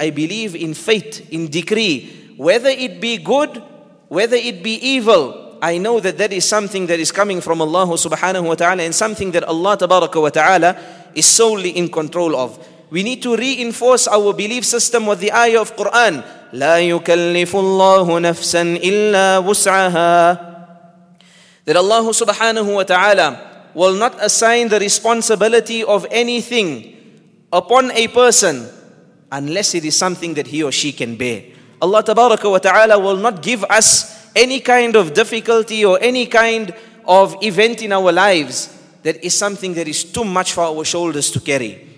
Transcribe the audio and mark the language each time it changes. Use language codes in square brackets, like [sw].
[en] I believe in fate, in decree. Whether it be good, whether it be evil, I know that that is something that is coming from Allah subhanahu wa ta'ala, and something that Allah tabaraka wa ta'ala is solely in control of. We need to reinforce our belief system with the ayah of Quran. [ar] لا يكلف الله نفسا إلا وسعها. [en] That Allah subhanahu wa ta'ala will not assign the responsibility of anything upon a person unless it is something that he or she can bear. Allah tabaraka wa ta'ala will not give us any kind of difficulty or any kind of event in our lives that is something that is too much for our shoulders to carry.